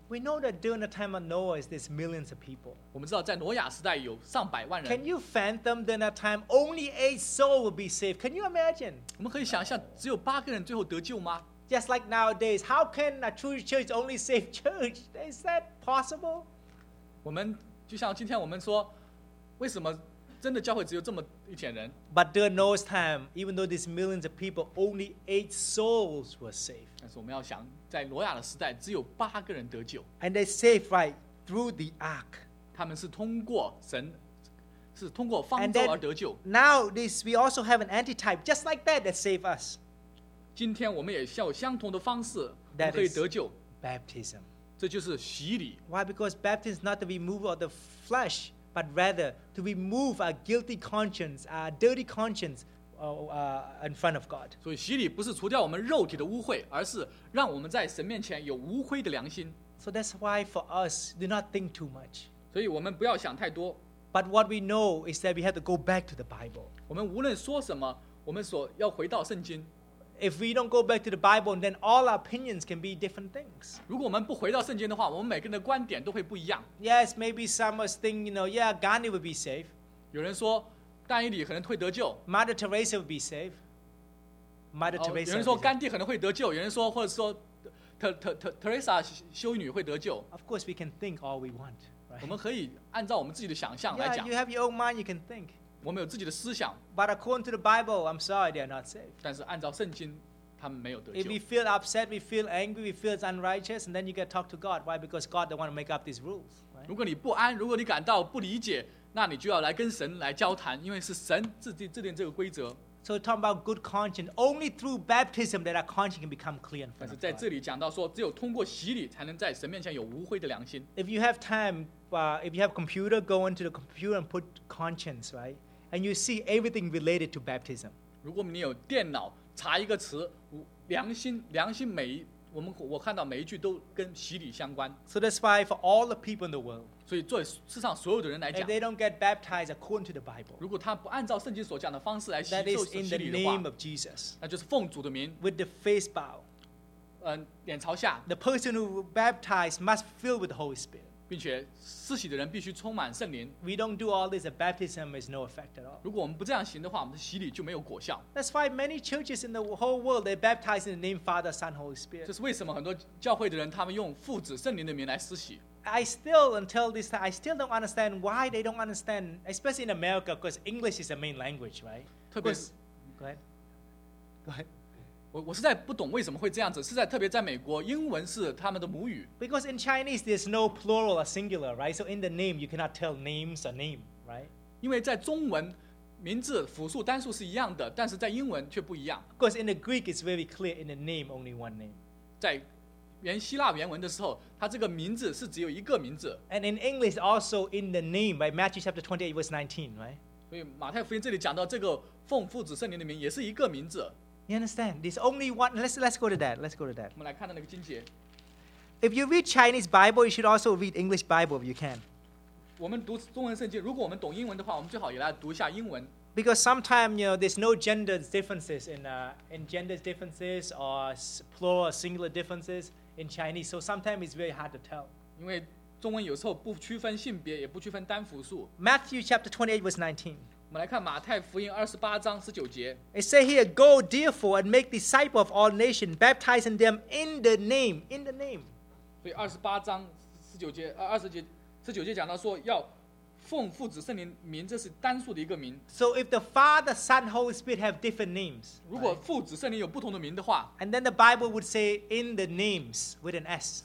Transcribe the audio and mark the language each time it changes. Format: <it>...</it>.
<en>We know that during the time of Noah is these millions of people.</en> <zh>我们知道在挪亚时代有上百万人。</zh> <en>Can you fathom during that time only 8 souls will be saved? Can you imagine?</en> <zh>我们可以想象只有八个人最后得救吗？</zh> <en>Just like nowadays, how can a true church only save church? Is that possible?</en> <zh>我们就像今天我们说，为什么真的教会只有这么一点人？</zh> <en>But during Noah's time, even though these millions of people, only 8 souls were saved.</en> <zh>但是我们要想，在挪亚的时代，只有八个人得救。</zh> <en>And they saved right through the ark.</en> <zh>他们是通过神。是通过方舟而得救。</zh> <en>And then, now this, we also have an antitype, just like that, that saved us.</en> <zh>今天我们也有相同的方式，我们可以得救。</zh> <en>Baptism.</en> <zh>这就是洗礼。</zh> <en>Why? Because baptism is not the removal of the flesh, but rather to remove our guilty conscience, our dirty conscience, in front of God.</en> <zh>所以洗礼不是除掉我们肉体的污秽，而是让我们在神面前有无秽的良心。</zh> <en>So that's why for us, do not think too much.</en> <zh>所以我们不要想太多。</zh> <en>But what we know is that we have to go back to the Bible.</en> <zh>我们无论说什么，我们所要回到圣经。</zh> <en>If we don't go back to the Bible, then all our opinions can be different things.</en> <zh>如果我们不回到圣经的话，我们每个人的观点都会不一样。</zh> <en>Yes, maybe some must think, you know, yeah, Gandhi would be safe.</en> <zh>有人说，但以理可能会得救。</zh> <en>Mother Teresa would be safe. Mother Teresa.</en> <zh>有人说甘地可能会得救，有人说或者说Teresa 修女会得救。</zh> <en>Of course, we can think all we want. Right?</en> <zh>我们可以按照我们自己的想象来讲。</zh> <en>Yeah, you have your own mind, you can think.</en> <zh>我们有自己的思想。</zh> <en>But according to the Bible, I'm sorry, they are not saved.</en> <zh>但是按照圣经，他们没有得救。</zh> <en>If we feel upset, we feel angry, we feel unrighteous, and then you get to talk to God. Why? Because God don't want to make up these rules.、Right?</en> <zh>如果你不安，如果你感到不理解，那你就要来跟神来交谈，因为是神制定这个规则。</zh> <en>So talking about good conscience, only through baptism that our conscience can become clear.</en> <zh>但是在这里讲到说，只有通过洗礼才能在神面前有无秽的良心。</zh> <en>If you have time, if you have a computer, go into the computer and put conscience, right? And you see everything related to baptism.</en> <zh>如果你有电脑，查一个词，良心，良心每我看到每一句都跟洗礼相关。</zh> <en>So that's why for all the people in the world.</en> <zh>所以作为世上所有的人来讲</zh> <en>，if they don't get baptized according to the Bible.</en> <zh>如果他不按照圣经所讲的方式来洗礼的话</zh> <en>，that is in the name of Jesus.</en> <zh>那就是奉主的名。</zh> <en>With the face bow.</en> <zh>脸朝下。</zh> <en>The person who baptized must fill with the Holy Spirit.</en> <zh>并且施洗的人必须充满圣灵。</zh> <en>We don't do all this, baptism is no effect at all.</en> <zh>如果我们不这样行的话，我们的洗礼就没有果效。</zh> <en>That's why many churches in the whole world they baptize in the name Father, Son, Holy Spirit.</en> <zh>这是为什么很多教会的人他们用父子圣灵的名来施洗。</zh> <en>I still until this time I still don't understand why they don't understand, especially in America, because English is the main language, right?</en> <zh>特别是</zh> <en>Go ahead.</en> <zh>我实在不懂为什么会这样子，是在特别在美国，英文是他们的母语。</zh> <en>Because in Chinese there's no plural or singular, right? So in the name you cannot tell names or name, right?</en> <zh>因为在中文，名字复数单数是一样的，但是在英文却不一样。</zh> <en>Because in the Greek it's very clear in the name only one name.</en> <zh>在原希腊原文的时候，它这个名字是只有一个名字。</zh> <en>And in English also in the name, right? Matthew chapter 28 verse 19, right?</en> <zh>所以马太福音这里讲到这个奉父子圣灵的名也是一个名字。</zh> <en>You understand? There's only one. Let's go to that. Let's go to that.</en> <zh>我们来看到那个经节。</zh> <en>If you read Chinese Bible, you should also read English Bible if you can.</en> <zh>我们读中文圣经，如果我们懂英文的话，我们最好也来读一下英文。</zh> <en>Because sometimes you know there's no gender differences in gender differences or plural or singular differences in Chinese. So sometimes it's very hard to tell.</en> <zh>因为中文有时候不区分性别，也不区分单复数。</zh> <en>Matthew chapter 28 verse 19.</en> <zh>我们来看马太福音二十八章十九节。</zh> <en>It says here, "Go therefore and make disciples of all nations, baptizing them in the name, in the name."</en> <zh>所以二十八章十九节，二十九节讲到说要奉父子圣灵名，这是单数的一个名。</zh> <en>So if the Father, Son, Holy Spirit have different names,</en> <zh>如果父子圣灵有不同的名的话</zh> <en>，and then the Bible would say in the names with an S.</en>